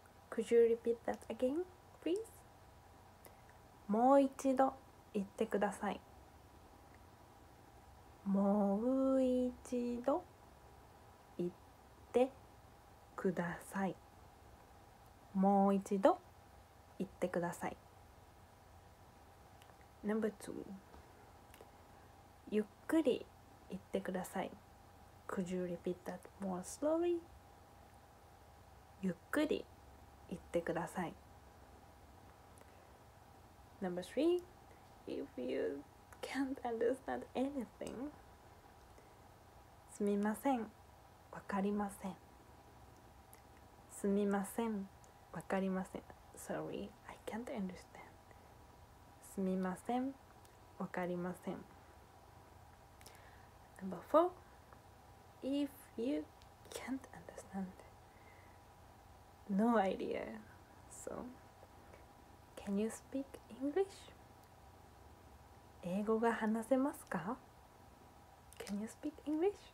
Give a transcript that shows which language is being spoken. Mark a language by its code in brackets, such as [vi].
[en] Could you repeat that again, please? [ja] もう一度言ってください。もう一度言ってください。もう一度言ってください。 [en] Number two. [ja] ゆっくり言ってください。 [en] Could you repeat that more slowly? [ja] ゆっくり言ってください。 [en] Number three. If you can't understand anything, [ja] すみません、わかりません。すみません、わかりません。 [en] Sorry. Can't understand. [ja] すみません、わかりません。 [en] Number four. If you can't understand, no idea. So, can you speak English? [ja] 英語が話せますか? [en] Can you speak English?